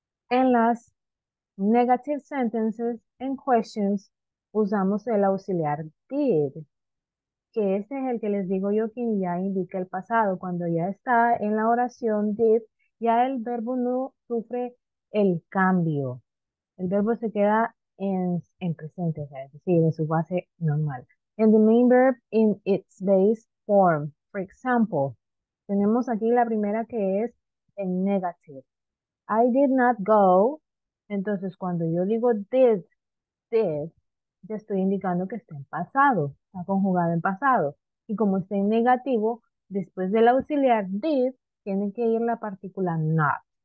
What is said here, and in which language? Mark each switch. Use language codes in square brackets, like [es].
[es] En las negative sentences and questions usamos el auxiliar did, que este es el que les digo yo que ya indica el pasado. Cuando ya está en la oración did, ya el verbo no sufre el cambio. El verbo se queda en presente, es decir, en su base normal. [en] And the main verb in its base form. For example, [es] tenemos aquí la primera que es en negative. [en] I did not go. [es] Entonces, cuando yo digo did, ya estoy indicando que está en pasado, está conjugado en pasado. Y como está en negativo, después del auxiliar did, tiene que ir la partícula not.